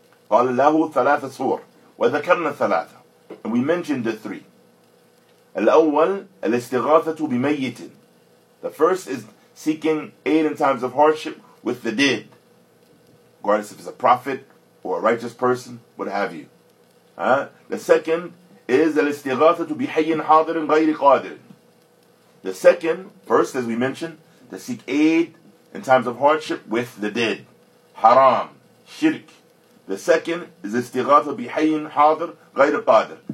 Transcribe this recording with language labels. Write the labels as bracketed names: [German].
[Arabic] قال له ثلاثة صور وذكرنا ثلاثة. [English] And we mentioned the three. [Arabic] الأول الاستغاثة بميت. [English] The first is seeking aid in times of hardship with the dead, regardless if it's a prophet or a righteous person, what have you. The second is [Arabic] الاستغاثة بحي حاضر غير قادر. [English] The second, first as we mentioned, to seek aid in times of hardship with the dead. Haram, shirk. The second is istighatha [Arabic] بحي حاضر غير قادر.